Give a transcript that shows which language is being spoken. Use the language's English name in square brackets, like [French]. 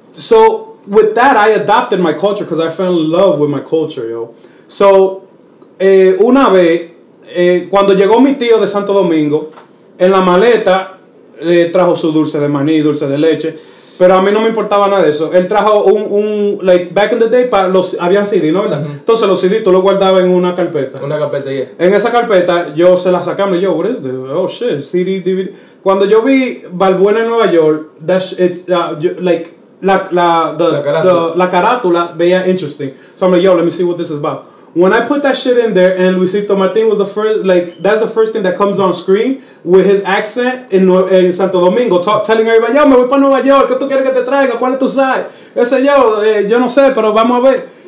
[English] So, with that, I adopted my culture because I fell in love with my culture, yo. [Spanish] So, una vez... cuando llegó mi tío de Santo Domingo, en la maleta le trajo su dulce de maní, dulce de leche, pero a mí no me importaba nada de eso. Él trajo un like [English] back in the day [Spanish] para los habían CD, ¿no verdad? Uh-huh. Entonces los CD tú los guardabas en una carpeta. Una carpeta, yeah. En esa carpeta yo se la sacaba y yo, [English] what is this? Oh shit, [Spanish] CD DVD. Cuando yo vi Balbuena en Nueva York, la carátula veía interesting. [English] So I'm like, yo, let me see what this is about. When I put that shit in there, and Luisito Martin was the first, like, that's the first thing that comes on screen with his accent in Santo Domingo, telling everybody, yo, [Spanish] me voy para Nueva York, ¿qué tú quieres que te traiga? ¿Cuál es tu side? Ese yo, yo no sé, pero vamos a ver.